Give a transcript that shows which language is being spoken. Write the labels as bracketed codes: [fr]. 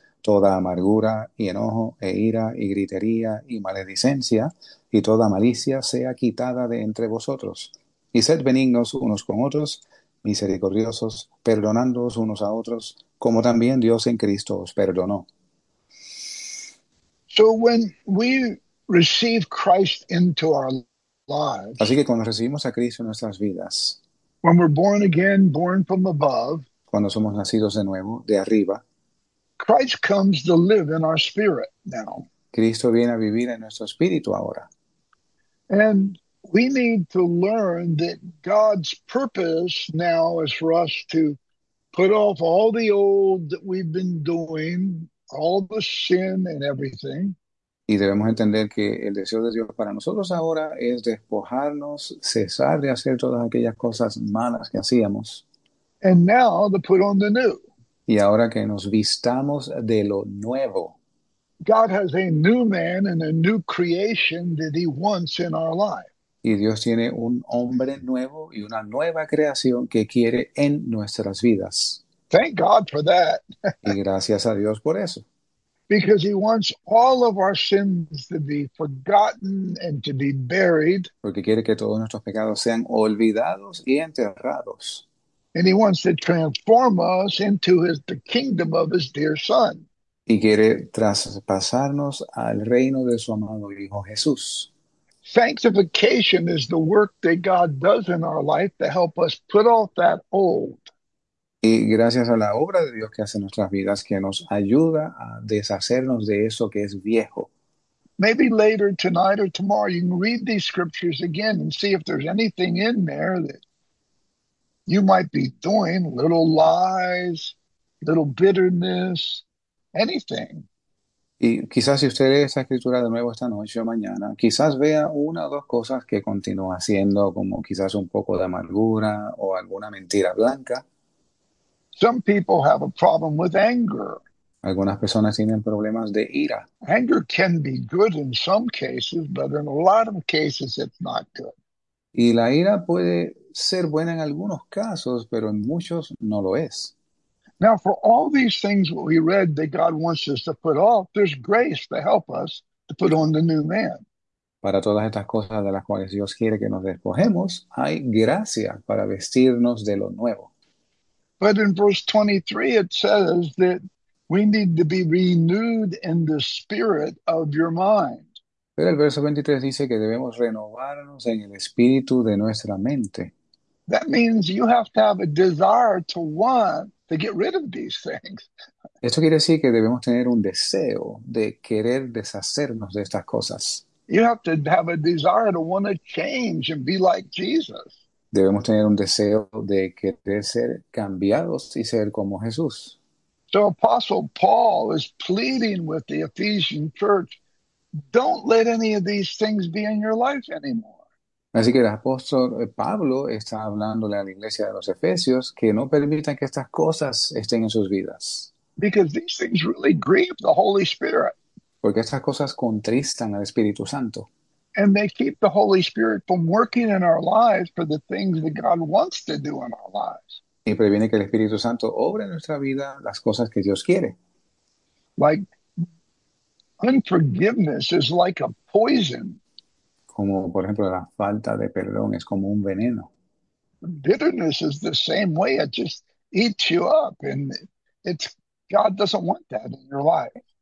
[es] Toda amargura y enojo e ira y gritería y maledicencia y toda malicia sea quitada de entre vosotros. Y sed benignos unos con otros, misericordiosos, perdonándoos unos a otros, como también Dios en Cristo os perdonó. [en] So when we receive Christ into our [es] Así [en] lives, [es] que cuando recibimos a Cristo en nuestras vidas, [en] when we're born again, born from above, [es] cuando somos nacidos de nuevo, de arriba, [en] Christ comes to live in our spirit now. [es] Cristo viene a vivir en nuestro espíritu ahora. [en] And we need to learn that God's purpose now is for us to put off all the old that we've been doing, all the sin and everything. [es] Y debemos entender que el deseo de Dios para nosotros ahora es despojarnos, cesar de hacer todas aquellas cosas malas que hacíamos. [en] And now to put on the new. [es] Y ahora que nos vistamos de lo nuevo. [en] God has a new man and a new creation that he wants in our life. [es] Y Dios tiene un hombre nuevo y una nueva creación que quiere en nuestras vidas. [en] Thank God for that. [es] Y gracias a Dios por eso. [en] Because he wants all of our sins to be forgotten and to be buried. [es] Porque quiere que todos nuestros pecados sean olvidados y enterrados. [en] And he wants to transform us into the kingdom of his dear son. [es] Y quiere traspasarnos al reino de su amado Hijo Jesús. [en] Sanctification is the work that God does in our life to help us put off that old. [es] Y gracias a la obra de Dios que hace en nuestras vidas, que nos ayuda a deshacernos de eso que es viejo. [en] Maybe later tonight or tomorrow, you can read these scriptures again and see if there's anything in there that you might be doing, little lies, little bitterness, anything. [es] Y quizás si usted lee esa escritura de nuevo esta noche o mañana, quizás vea una o dos cosas que continúa haciendo, como quizás un poco de amargura o alguna mentira blanca. [en] Some people have a problem with anger. [es] Algunas personas tienen problemas de ira. [en] Anger can be good in some cases, but in a lot of cases it's not good. [es] Y la ira puede ser buena en algunos casos, pero en muchos no lo es. [en] Now, for all these things that we read that God wants us to put off, there's grace to help us to put on the new man. [es] Para todas estas cosas de las cuales Dios quiere que nos despojemos, hay gracia para vestirnos de lo nuevo. [en] But in verse 23, it says that we need to be renewed in the spirit of your mind. [es] Pero el verso 23 dice que debemos renovarnos en el espíritu de nuestra mente. [en] That means you have to have a desire to want to get rid of these things. [es] Esto quiere decir que debemos tener un deseo de querer deshacernos de estas cosas. [en] You have to have a desire to want to change and be like Jesus. [es] Debemos tener un deseo de querer ser cambiados y ser como Jesús. [en] So Apostle Paul is pleading with the Ephesian church, don't let any of these things be in your life anymore. [es] Así que el apóstol Pablo está hablándole a la iglesia de los Efesios que no permitan que estas cosas estén en sus vidas. [en] Because these things really grieve the Holy Spirit. [es] Porque estas cosas contristan al Espíritu Santo. [en] And they keep the Holy Spirit from working in our lives for the things that God wants to do in our lives. [es] Y previene que el Espíritu Santo obre en nuestra vida las cosas que Dios quiere. [en] Like unforgiveness is like a poison. [es] Como por ejemplo la falta de perdón es como un veneno. [en] Bitterness is the same way. It just eats you up, and it's God doesn't want that in your life.